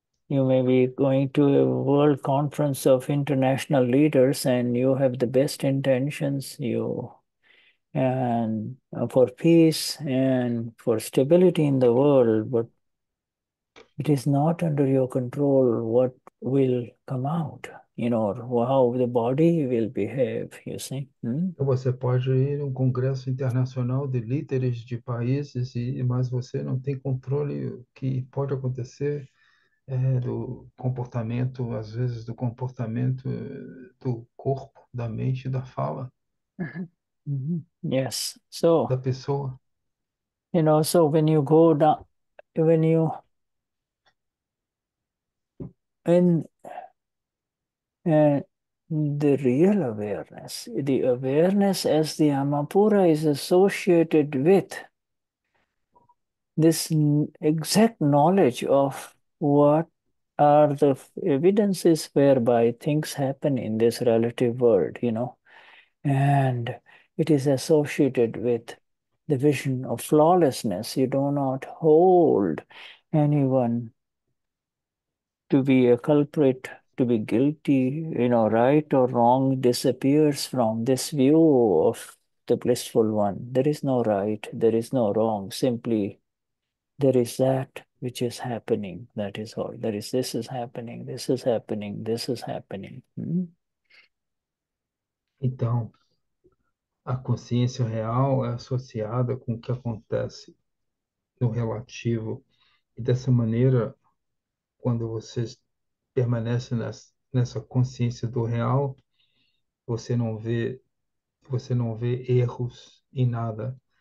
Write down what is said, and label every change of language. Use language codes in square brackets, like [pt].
[en] You may be going to a world conference of international leaders, and you have the best intentions, and for peace and for stability in the world, but it is not under your control what will come out. how the body will behave, you see? [pt] Então você pode ir a um congresso internacional de líderes de países, mas você não tem controle o que pode acontecer do comportamento, às vezes do comportamento do corpo, da mente, da fala [en] Yes. [pt] da pessoa. [en] So when you go down, when you in the real awareness, the awareness as the Amapura is associated with this exact knowledge of what are the evidences whereby things happen in this relative world, and it is associated with the vision of flawlessness. You do not hold anyone to be a culprit, to be guilty, right or wrong disappears from this view of the blissful one. There is no right, there is no wrong, simply there is that which is happening, that is all. There is this is happening, this is happening, this is happening. [pt] Então, a consciência real é associada com o que acontece no relativo. E dessa maneira, quando você permanece nessa consciência do real, você não vê erros em nada.